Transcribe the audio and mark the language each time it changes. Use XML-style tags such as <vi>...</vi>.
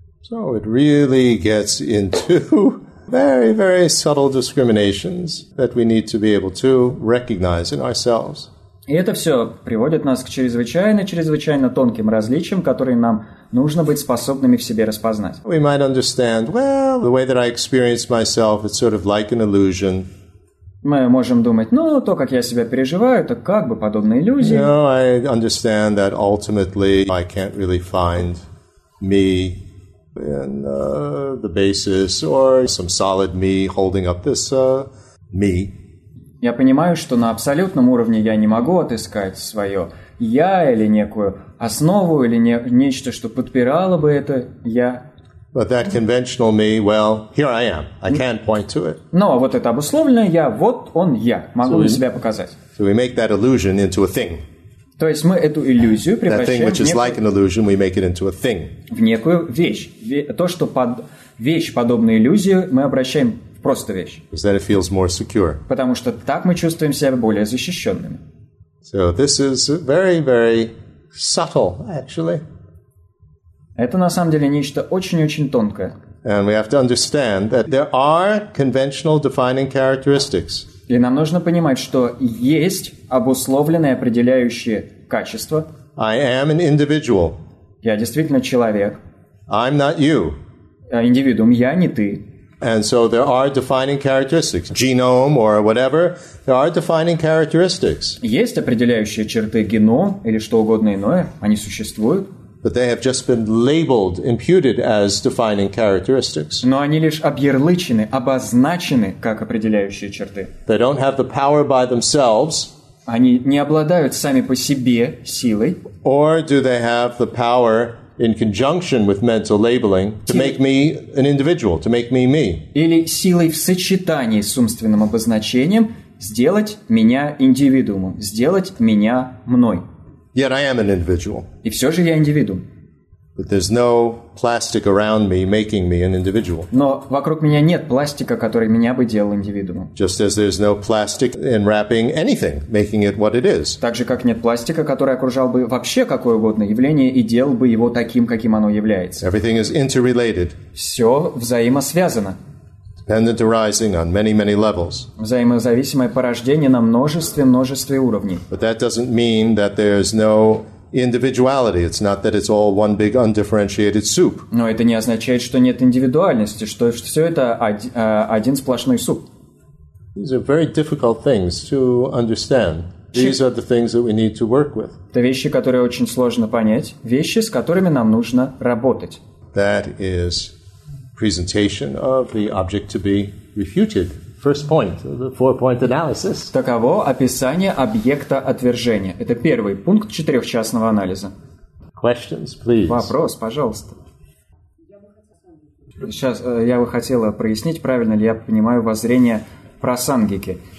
<en>So it really gets into very, very subtle discriminations that we need to be able to recognize in ourselves.</en> <ru>И это все приводит нас к чрезвычайно тонким различиям, которые нам нужно быть способными в себе распознать.</ru> <en>We might understand, well, the way that I experience myself, it's sort of like an illusion.</en> <ru>Мы можем думать, ну, то, как я себя переживаю, это как бы подобная иллюзия.</ru> <en>No, I understand that ultimately I can't really find me in the basis or some solid me holding up this me.</en> <ru>Я понимаю, что на абсолютном уровне я не могу отыскать свое «я» или некую основу, или нечто, что подпирало бы это «я».</ru> <en>But that conventional me, well, here I am. I can't point to it.</en> <ru>Но вот это обусловленное «я», вот он «я», могу на себя показать.</ru> <en>So we make that illusion into a thing.</en> <ru>То есть мы эту иллюзию превращаем</ru> <en>that thing, which is like an illusion, we make it into a thing.</en> <ru>В некую вещь. То, что вещь, подобная иллюзия, мы обращаем просто вещь.</ru> <en>Because then it feels more secure.</en> <ru>Потому что так мы чувствуем себя более защищенными.</ru> <en>So this is very, very subtle, actually.</en> <ru>Это на самом деле нечто очень-очень тонкое.</ru> <en>And we have to understand that there are conventional defining characteristics.</en> <ru>И нам нужно понимать, что есть обусловленные определяющие качества.</ru> <en>I am an individual.</en> <ru>Я действительно человек.</ru> <en>I'm not you.</en> <ru>Индивидуум, я не ты.</ru> <en>And so there are defining characteristics, genome or whatever. There are defining characteristics.</en> <ru>Есть определяющие черты геном или что угодно иное. Они существуют.</ru> <en>But they have just been labeled, imputed as defining characteristics.</en> <ru>Но они лишь объярлычены, обозначены как определяющие черты.</ru> <en>They don't have the power by themselves.</en> <ru>Они не обладают сами по себе силой.</ru> <en>Or do they have the power in conjunction with mental labeling to make me an individual, to make me me.</en> <ru>Или силой в сочетании с умственным обозначением сделать меня индивидуумом, сделать меня мной.</ru> <en>Yet I am an individual.</en> <ru>И все же я индивидуум.</ru> <en>But there's no plastic around me making me an individual.</en> <ru>Но вокруг меня нет пластика, который меня бы делал индивидуумом.</ru> <en>Just as there's no plastic enwrapping anything, making it what it is.</en> <ru>Так же, как нет пластика, который окружал бы вообще какое угодно явление и делал бы его таким, каким оно является.</ru> <en>Everything is interrelated.</en> <ru>Все взаимосвязано.</ru> <en>dependent arising on many, many levels.</en> <ru>Взаимозависимое порождение на множестве уровней.</ru> <en>But that doesn't mean that there's no individuality. It's not that it's all one big undifferentiated soup.</en> <ru>Но это не означает, что нет индивидуальности, что все это один сплошной суп.</ru> <en>These are very difficult things to understand. These are the things that we need to work with.</en> <ru>Это вещи, которые очень сложно понять, вещи, с которыми нам нужно работать.</ru> <en>That is presentation of the object to be refuted. First point, the four-point analysis.</en> <ru>Таково описание объекта отвержения. Это первый пункт четырехчастного анализа.</ru> <en>Questions, please.</en> <ru>Вопрос, пожалуйста. Сейчас я бы хотела прояснить, правильно ли я понимаю воззрение просангики.</ru>